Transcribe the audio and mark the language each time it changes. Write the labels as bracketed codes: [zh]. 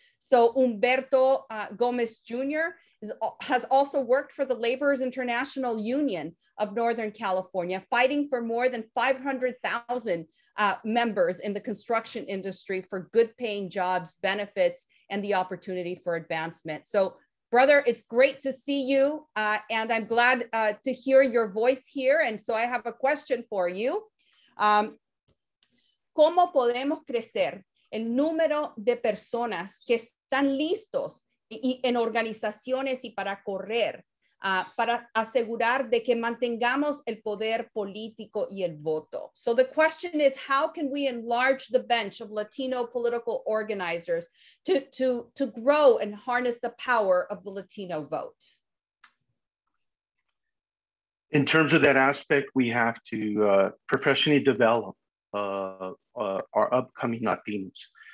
[en] So Humberto Gomez Jr. has also worked for the Laborers International Union of Northern California, fighting for more than 500,000 members in the construction industry for good paying jobs, benefits, and the opportunity for advancement. So brother, it's great to see you. And I'm glad to hear your voice here. And so I have a question for you. [es] ¿Cómo podemos crecer el número de personas que están listos y en organizaciones y para correr, para asegurar de que mantengamos el poder político y el voto? [en] So the question is, how can we enlarge the bench of Latino political organizers to grow and harness the power of the Latino vote? In terms of that aspect, we have to professionally develop our upcoming Latinos.